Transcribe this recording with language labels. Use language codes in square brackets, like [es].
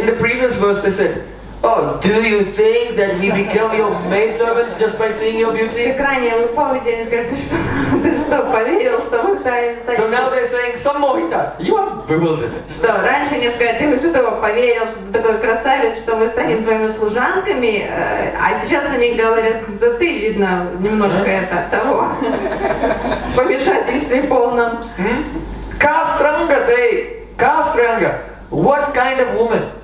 [en] In the previous verse they said, oh, do you think that we become your maid servants just by seeing your beauty? [ru] Крайне вы помните, они скажут, ты что поверил, что мы ставим. [en] So now they're saying, Sammohita, you are bewildered. [ru] Что раньше они сказали, ты из этого поверил, что такой красавец, что мы станем твоими служанками, а сейчас они говорят, да ты видно немножко это того помешательстве полном. [sa] Кастранга ты, кастранга, [en] what kind of woman?